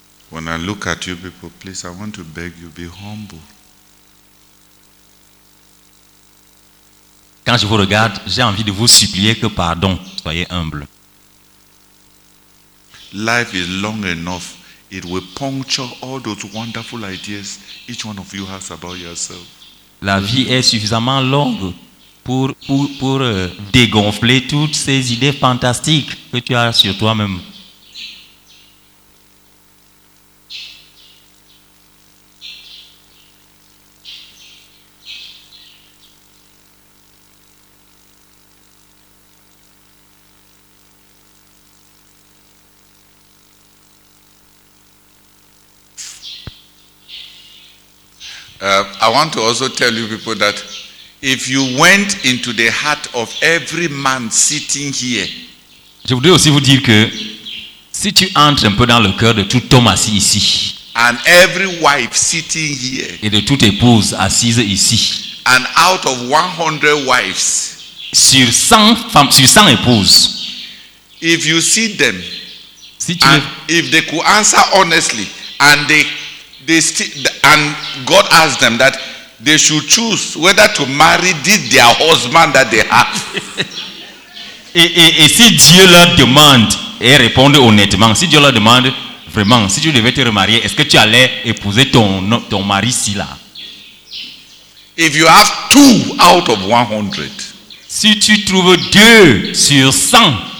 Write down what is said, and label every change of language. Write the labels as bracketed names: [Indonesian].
[English] When I look at you people, please, I want to beg you, be humble. [French] Quand je vous regarde, j'ai envie de vous supplier que pardon, soyez humble. [English] Life is long enough. It will puncture all those wonderful ideas each one of you has about yourself. [French] La vie est suffisamment longue pour dégonfler toutes ces idées fantastiques que tu as sur toi-même. [English] I want to also tell you people that if you went into the heart of every man sitting here, [French] je voudrais aussi vous dire que si tu entres un peu dans le cœur de tout homme assis ici, [English] and every wife sitting here, [French] et de toute épouse assise ici, [English] and out of 100 wives, [French] sur 100 femmes, sur 100 épouses, [English] if you see them, [French] si tu [English] and if they could answer honestly, and and God asked them that they should choose whether to marry this their husband that they have. [French] et si Dieu leur demande et répondent honnêtement, si Dieu leur demande vraiment, si tu devais te remarier, est-ce que tu allais épouser ton mari si là? [English] If you have 2 out of 100, [French] si tu trouves 2 sur 100,